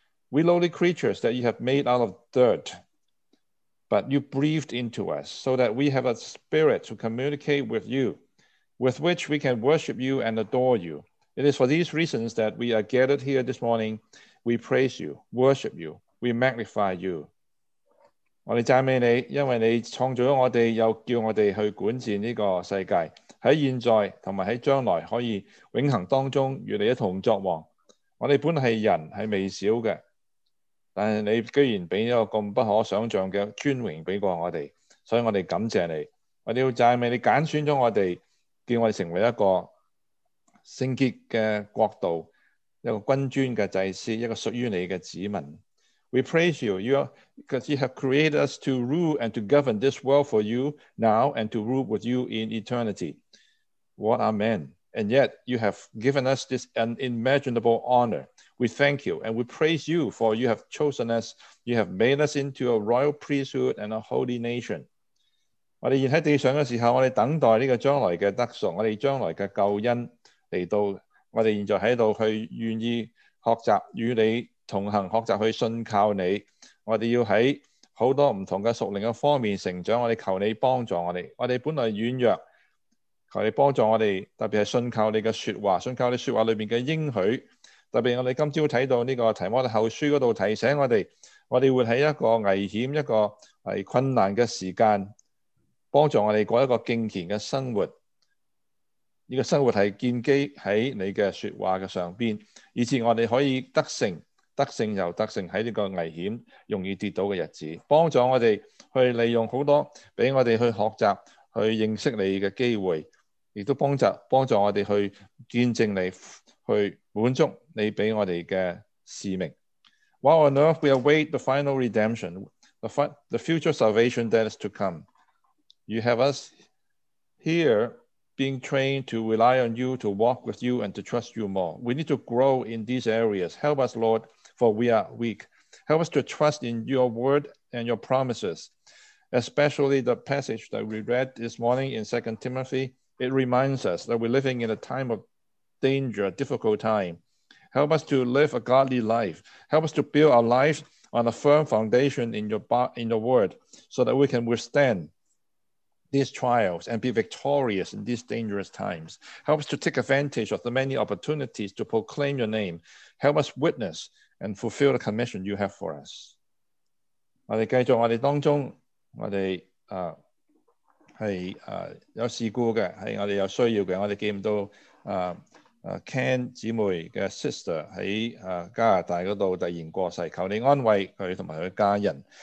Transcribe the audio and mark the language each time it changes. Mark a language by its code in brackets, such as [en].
[en] We lowly creatures that you have made out of dirt, but you breathed into us so that we have a spirit to communicate with you, with which we can worship you and adore you. It is for these reasons that we are gathered here this morning. We praise you, worship you, we magnify you. [zh] 我们赞美你，因为你创造了我们，又叫我们去管治这个世界，在现在和在将来可以永恒当中与你一同作王。我们本来是人，是微小的，但是你居然给了一个这么不可想象的尊荣给过我们，所以我们感谢你。我们要赞美你拣选了我们，叫我们成为一个圣洁的国度，一个君尊的祭司，一个属于你的子民。 [en] We praise you, because you have created us to rule and to govern this world for you now and to rule with you in eternity. What are men? And yet you have given us this unimaginable honor. We thank you and we praise you for you have chosen us. You have made us into a royal priesthood and a holy nation. [zh] 我们现在地上的时候，我们等待这个将来的得赎，我们将来的救恩来到，我们现在在这里去愿意学习与你同行，学习去信靠你。我们要在很多不同的属灵的方面成长，我们求你帮助我们。我们本来软弱，求你帮助我们，特别是信靠你的说话，信靠你说话里面的应许。特别我们今早看到这个提摩太后书那里提醒我们，我们会在一个危险、一个困难的时间，帮助我们过一个敬虔的生活。这个生活是建基在你的说话的上边，以致我们可以得胜，得胜又得胜，在这个危险容易跌倒的日子，帮助我们去利用很多给我们去学习去认识你的机会，也都帮助我们去见证你，去满足你给我们的使命。 [en] While on earth we await the final redemption, the future salvation that is to come. You have us here being trained to rely on you, to walk with you and to trust you more. We need to grow in these areas. Help us, Lord, for we are weak. Help us to trust in your word and your promises, especially the passage that we read this morning in 2 Timothy. It reminds us that we're living in a time of danger, a difficult time. Help us to live a godly life. Help us to build our lives on a firm foundation in your word so that we can withstand these trials and be victorious in these dangerous times. Help us to take advantage of the many opportunities to proclaim your name. Help us witness and fulfill the commission you have for us. [zh] 我们继续，我们当中，我们有事故的，是我们有需要的，我们见到Ken 姊妹的 sister 在加拿大那里突然过世，求你安慰她和她的家人。